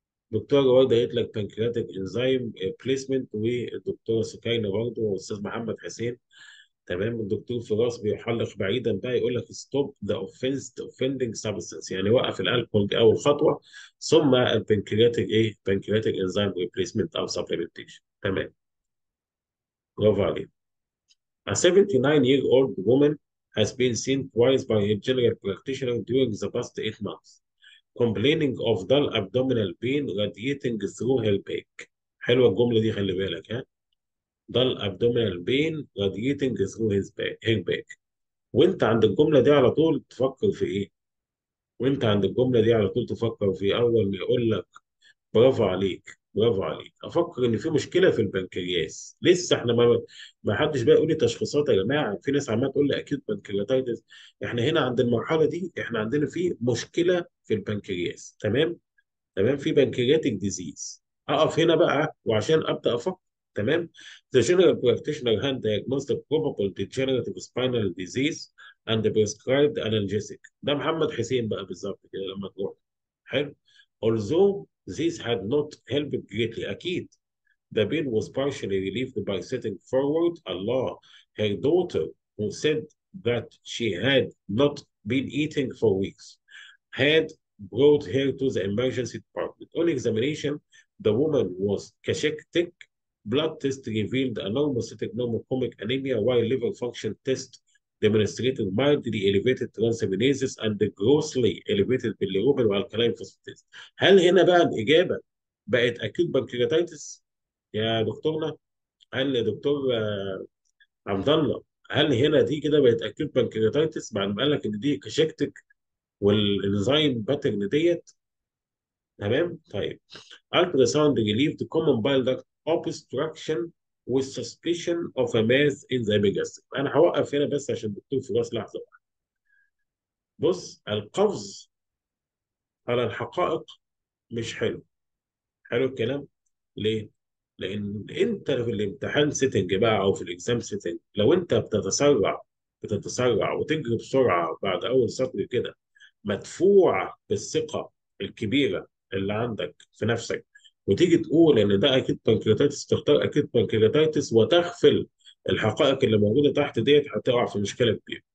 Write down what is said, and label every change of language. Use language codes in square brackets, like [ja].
[ar] دكتورة وردة قالت لك بانكرياتيك انزيم بليسمنت، والدكتورة سكينة برضه والأستاذ محمد حسين. تمام، الدكتور فراس بيحلق بعيدا بقى، يقول لك [en] stop the offending substance, [ar] يعني وقف الالكول دي اول خطوه، ثم البنكرياتيك ايه؟ بنكرياتيك انزيم ريبليسمنت او سبلمنتيشن. تمام، برافو عليك. [en] A 79-year-old woman has been seen twice by her general practitioner during the past 8 months, complaining of dull abdominal pain radiating through her back. [ar] حلوه الجمله دي، خلي بالك، ها؟ ضل [en] abdominal pain radiating through his back. [ar] وانت عند الجملة دي على طول تفكر في ايه؟ وانت عند الجملة دي على طول تفكر في اول ما يقول لك برافو عليك، برافو عليك، افكر ان في مشكلة في البنكرياس. لسه احنا ما حدش بقى يقول لي تشخيصات يا جماعة، في ناس عمالة تقول لي اكيد بنكرياتيتس. احنا هنا عند المرحلة دي احنا عندنا في مشكلة في البنكرياس. تمام، في بنكرياتيك ديزيز. اقف هنا بقى وعشان ابدا افكر. تمام، [en] the general practitioner hand diagnosed the probable degenerative spinal disease and prescribed analgesic. ده محمد حسين بقى بالظبط كده لما تروح. [ar] حلو، [en] although this had not helped greatly. [ar] اكيد [en] the pain was partially relieved by sitting forward. [ar] الله، [en] her daughter who said that she had not been eating for weeks had brought her to the emergency department. On examination the woman was cachectic. Blood test revealed a normal cystic normochromic anemia, while liver function test demonstrated mildly elevated transaminases and grossly elevated bilirubin alkaline phosphatase. [ar] هل هنا بقى الإجابة بقت أكيد بنكرياتيتس يا دكتورنا؟ هل يا دكتور عبد الله، هل هنا دي كده بقت أكيد بنكرياتيتس بعد ما قال لك إن دي كشكتك والإنزيم باترن ديت؟ تمام؟ طيب. [en] Ultrasound relieved common bile duct obstruction with suspicion of a mass in the epigastric. [ar] انا هوقف هنا بس عشان الدكتور فراس لحظه واحده. بص، القفز على الحقائق مش حلو. حلو الكلام؟ ليه؟ لان انت في الامتحان سيتنج بقى او في الاكزام سيتنج، لو انت بتتسرع وتجري بسرعه بعد اول سطر كده مدفوع بالثقه الكبيره اللي عندك في نفسك، وتيجي تقول ان ده اكيد بنكرياتيتس، تختار اكيد بنكرياتيتس وتغفل الحقائق اللي موجوده تحت ديت، هتقع في مشكله كبيره.